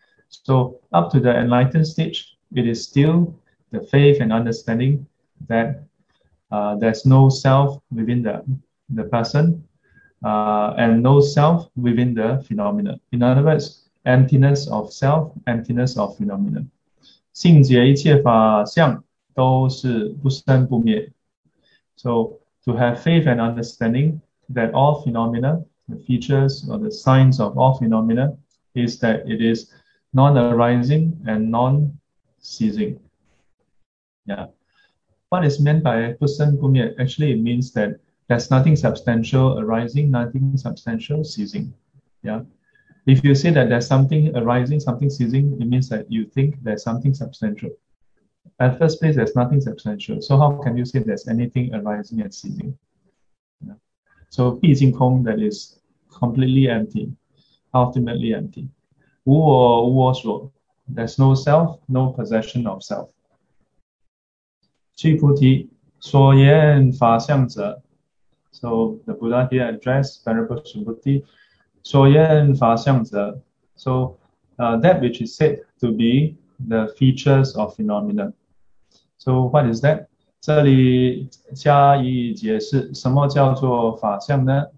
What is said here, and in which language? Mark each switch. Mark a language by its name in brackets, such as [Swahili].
[English] So up to the enlightened stage, it is still the faith and understanding that there's no self within the person and no self within the phenomena. In other words, emptiness of self, emptiness of phenomena. [Chinese] 性解一切法相 都是不生不灭. [English] So to have faith and understanding that all phenomena, the features or the signs of all phenomena is that it is non-arising and non-ceasing. Yeah. What is meant by 不生不灭? Actually, it means that there's nothing substantial arising, nothing substantial ceasing. Yeah. If you say that there's something arising, something ceasing, it means that you think there's something substantial. At first place, there's nothing substantial. So how can you say there's anything arising and ceasing? Yeah. So 毕竟空, that is completely empty, ultimately empty. 无我无我所, there's no self, no possession of self. 具菩提所言法相者, so the Buddha here addressed Venerable Subhuti, 所言法相者, so that which is said to be the features of phenomena. So what is that? [Chinese] 这里加以解释什么叫做法相呢?